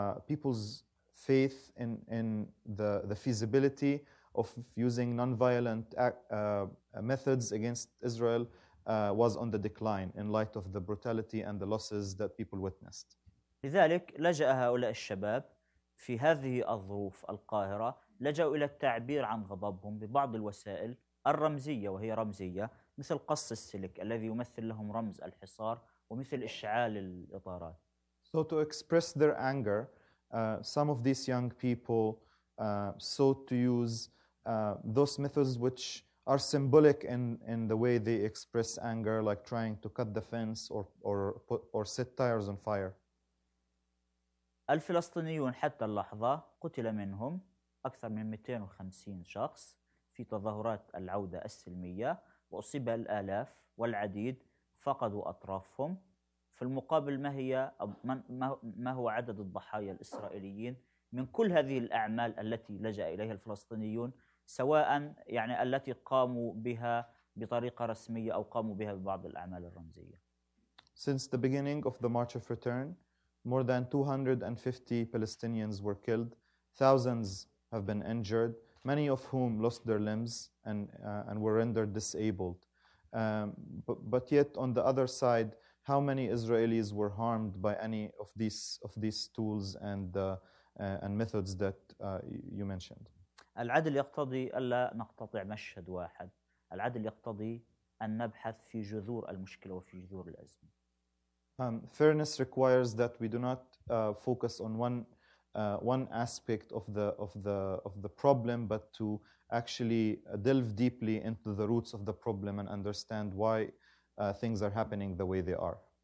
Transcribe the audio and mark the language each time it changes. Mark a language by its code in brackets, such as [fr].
[en] people's faith in the feasibility of using nonviolent methods against Israel was on the decline in light of the brutality and the losses that people witnessed. [ar] لذلك لجأ هؤلاء الشباب في هذه الظروف القاهرة، لجأوا إلى التعبير عن غضبهم ببعض الوسائل الرمزية، وهي رمزية مثل قص السلك الذي يمثل لهم رمز الحصار، ومثل إشعال الإطارات. [en] So to express their anger, some of these young people sought to use those methods which are symbolic in the way they express anger, like trying to cut the fence or set tires on fire. [ar] الفلسطينيون حتى اللحظة قتل منهم أكثر من 250 شخص في تظاهرات العودة السلمية، وأصيب الآلاف والعديد فقدوا أطرافهم في في المقابل ما هي ما هو عدد الضحايا الإسرائيليين من كل هذه الأعمال التي لجأ إليها الفلسطينيون سواء يعني التي قاموا بها بطريقة رسمية أو قاموا بها ببعض الأعمال الرمزية. [en] Since the beginning of the March of Return, more than 250 Palestinians were killed, thousands have been injured, many of whom lost their limbs and were rendered disabled. But yet on the other side, how many Israelis were harmed by any of these tools and methods that you mentioned? [ar] العدل يقتضي ألا نقتطع مشهد واحد. العدل يقتضي أن نبحث في جذور المشكلة وفي جذور الأزمة. [en] Fairness requires that we do not focus on one aspect of the problem, but to actually delve deeply into the roots of the problem and understand why things are happening the way they are.